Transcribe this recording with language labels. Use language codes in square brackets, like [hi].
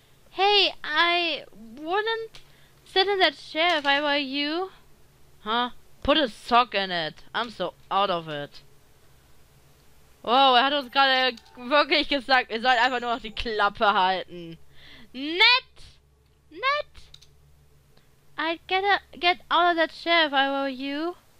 [en] Hey, I wouldn't sit in that chair if I were you. Huh? Put a sock in it. I'm so out of it. [de] Wow, er hat uns gerade wirklich gesagt, ihr sollt einfach nur noch die Klappe halten. Nett! Nett! [en] I'd get out of that chair if I were you.